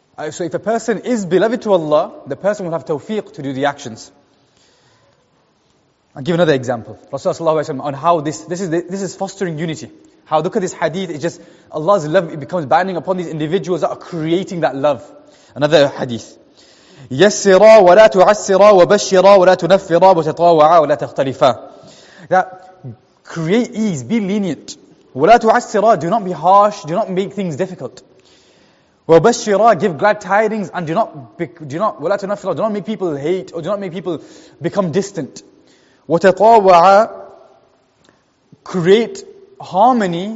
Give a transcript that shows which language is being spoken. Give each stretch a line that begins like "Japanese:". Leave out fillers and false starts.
English: So if a person is beloved to Allah, the person will have tawfiq to do the actions. I'll give another example. Rasulullah on how this is fostering unity. How, look at this hadith, it's just Allah's love, it becomes binding upon these individuals that are creating that love. Another hadith.
Arabic: يَسِّرَا وَلَا تُعَسِّرَا وَبَشِّرَا وَلَا تُنَفِّرَا وَتَطَاوَعَا وَلَا تَخْتَلِفَا
English: That create ease, be lenient.
Arabic: وَلَا تُعَسِّرَا
English: Do not be harsh, do not make things difficult.
Arabic: وَبَشِّرَا
English: Give glad tidings and do not
Arabic: وَلَا تُنَفِّرَا
English: Do not make people hate or do not make people become distant.
Arabic: وَتَطَاوَعَا
English: Create harmony.